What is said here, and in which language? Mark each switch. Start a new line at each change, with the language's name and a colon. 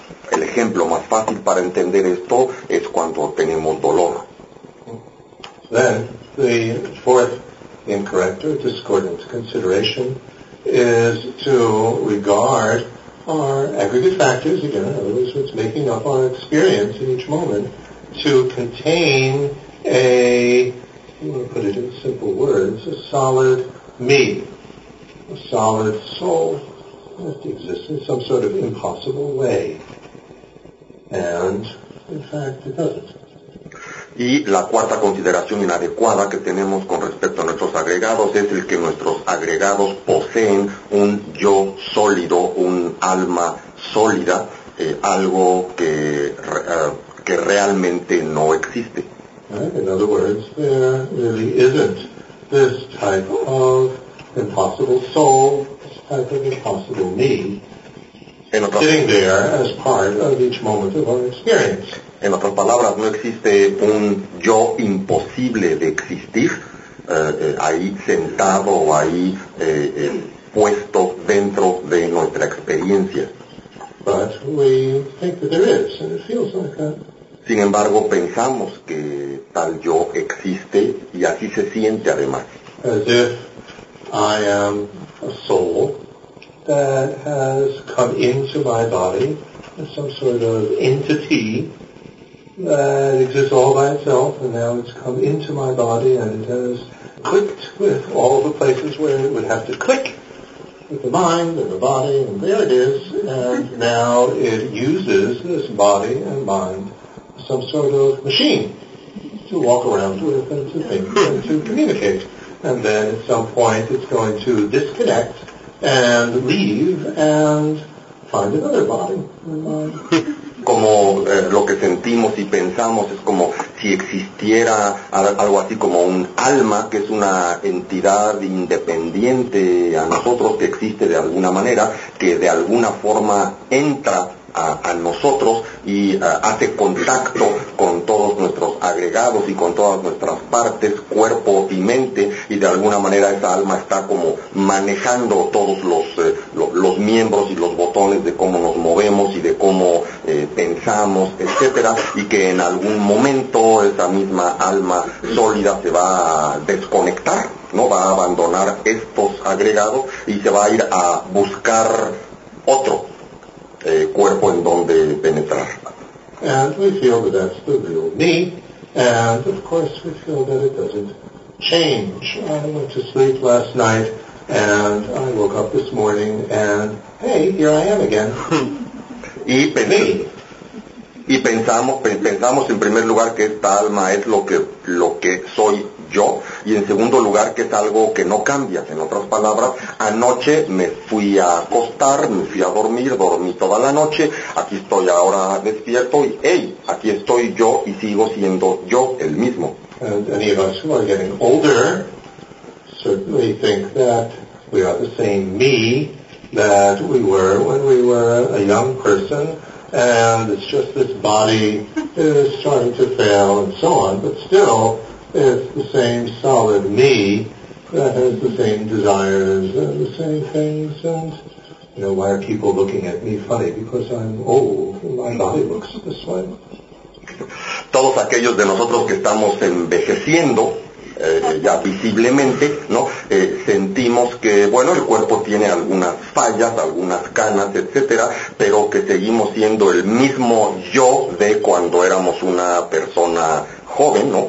Spanish: El ejemplo más fácil para entender esto es cuando tenemos dolor.
English: Then the fourth incorrect or discordant consideration is to regard our aggregate factors, again, in other words, what's making up our experience in each moment, to contain put it in simple words, a solid me, a solid soul. It exists in some sort of impossible way. And, in fact, it doesn't.
Spanish: Y la cuarta consideración inadecuada que tenemos con respecto a nuestros agregados es el que nuestros agregados poseen un yo sólido, un alma sólida, algo que realmente no existe.
English: In other words, there really isn't this type of impossible soul, sitting there as part of each moment of our experience.
Spanish: En otras palabras, no existe un yo imposible de existir ahí sentado o ahí puesto dentro de nuestra experiencia.
English: But we think that there is, and it feels like that.
Spanish: Sin embargo, pensamos que tal yo existe y así se siente además.
English: As if I am a soul that has come into my body as some sort of entity that exists all by itself, and now it's come into my body and it has clicked with all the places where it would have to click, with the mind and the body, and there it is, and now it uses this body and mind as some sort of machine to walk around with and to think and to communicate. And then at some point it's going to disconnect and leave and find another body and mind.
Spanish: Como lo que sentimos y pensamos es como si existiera algo así como un alma, que es una entidad independiente a nosotros, que existe de alguna manera, que de alguna forma entra a nosotros y hace contacto con todos nuestros agregados y con todas nuestras partes, cuerpo y mente, y de alguna manera esa alma está como manejando todos los miembros y los botones. razones de cómo nos movemos y de cómo pensamos, etcétera, y que en algún momento esa misma alma sólida se va a desconectar, ¿no? Va a abandonar estos agregados y se va a ir a buscar otro cuerpo en donde penetrar.
English: And we feel that that's the real me, and of course we feel that it doesn't change. I went to sleep last night, and I woke up this morning, and hey, here I am again. Me.
Spanish: Y pensamos en primer lugar que esta alma es lo que soy yo, y en segundo lugar que es algo que no cambia. En otras palabras, anoche me fui a acostar, me fui a dormir, dormí toda la noche, aquí estoy ahora despierto, y hey, aquí estoy yo y sigo siendo yo el mismo.
English: And any of us who are getting older certainly think that we are the same me that we were when we were a young person. And it's just this body is starting to fail and so on, but still, it's the same solid me that has the same desires and the same things. And, you know, why are people looking at me funny? Because I'm old and my body looks this way.
Spanish: Todos aquellos de nosotros que estamos envejeciendo, ya visiblemente, ¿no? Sentimos que, bueno, el cuerpo tiene algunas fallas, algunas canas, etcétera, pero que seguimos siendo el mismo yo de cuando éramos una persona joven, ¿no?